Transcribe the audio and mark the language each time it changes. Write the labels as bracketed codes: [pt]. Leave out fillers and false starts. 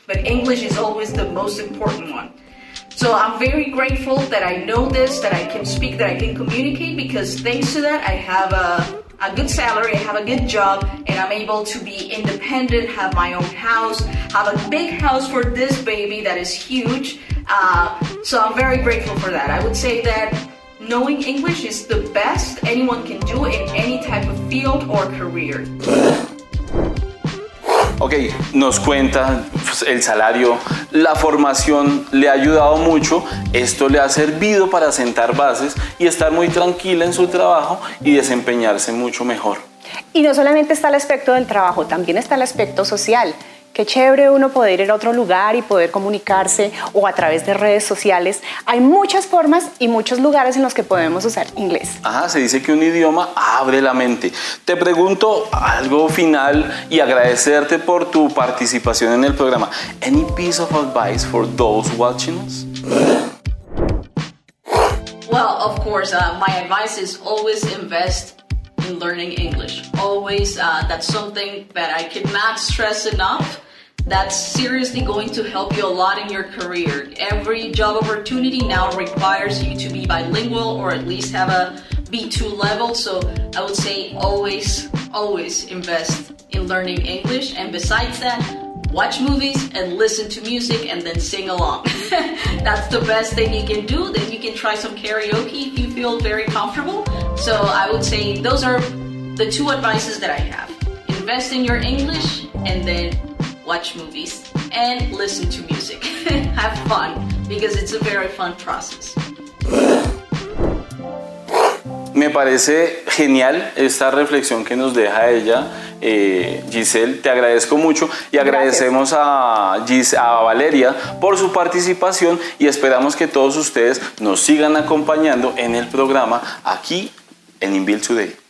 [en] But English is always the most important one. So I'm very grateful that I know this, that I can speak, that I can communicate, because thanks to that, I have a good salary, I have a good job, and I'm able to be independent, have my own house, have a big house for this baby that is huge. So I'm very grateful for that. I would say that knowing English is the best anyone can do in any type of field or career. [es] Okay, nos cuenta el salario, la formación le ha ayudado mucho, esto le ha servido para sentar bases y estar muy tranquila en su trabajo y desempeñarse mucho mejor. Y no solamente está el aspecto del trabajo, también está el aspecto social. Qué chévere uno poder ir a otro lugar y poder comunicarse o a través de redes sociales. Hay muchas formas y muchos lugares en los que podemos usar inglés. Ajá, se dice que un idioma abre la mente. Te pregunto algo final y agradecerte por tu participación en el programa. [en] Any piece of advice for those watching us? Well, of course, my advice is always invest in learning English. Always, that's something that I cannot stress enough. That's seriously going to help you a lot in your career. Every job opportunity now requires you to be bilingual or at least have a B2 level. So I would say always, always invest in learning English. And besides that, watch movies and listen to music and then sing along. That's the best thing you can do. Then you can try some karaoke if you feel very comfortable. So I would say those are the two advices that I have. Invest in your English and then watch movies and listen to music. Have fun, because it's a very fun process. [es] Me parece genial esta reflexión que nos deja ella. Giselle, te agradezco mucho y agradecemos a Valeria por su participación y esperamos que todos ustedes nos sigan acompañando en el programa aquí en Inbuilt Today.